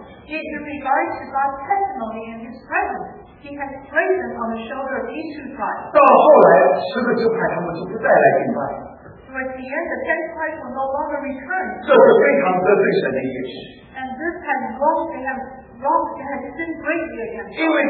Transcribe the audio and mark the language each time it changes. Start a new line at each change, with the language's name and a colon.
English: In regards to God's testimony and His presence, He has placed them on the shoulder of these 2 tribes.
Chinese: 到后来，十个支派他们就不再来敬拜。
English: Towards the end, the 10 tribes will no longer return.
Chinese: 这是非常得罪神的一件事。
English: And this has wrong, they have sinned greatly against him.